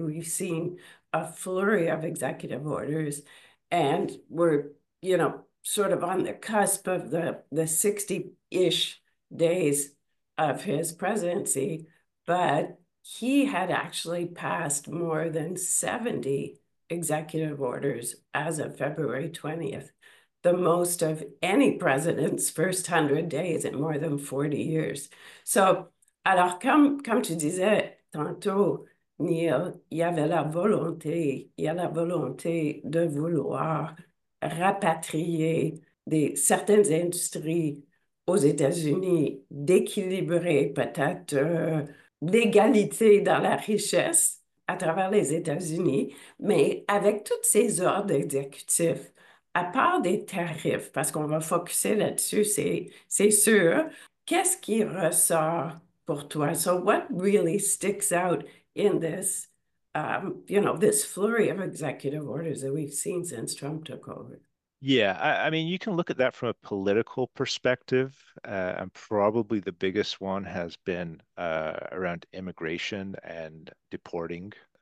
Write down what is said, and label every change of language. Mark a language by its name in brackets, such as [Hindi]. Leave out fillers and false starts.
[English] We've seen a flurry of executive orders, and we're, sort of on the cusp of the 60-ish days of his presidency, but he had actually passed more than 70 executive orders as of February 20th. The most of any president's first 100 days in more than 40 years. [French] So, alors, comme tu disais tantôt, Neil, il y avait la volonté, il y a la volonté de vouloir rapatrier certaines industries aux États-Unis, d'équilibrer peut-être l'égalité dans la richesse à travers les États-Unis, mais avec toutes ces ordres exécutifs. À part des tarifs, parce qu'on va focusser là-dessus, c'est sûr. Qu'est-ce qui ressort pour toi? [English] So, what really sticks out in this, this flurry of executive orders that we've seen since Trump took over? I mean, you can look at that from a political perspective. And probably the biggest one has been around immigration and deporting.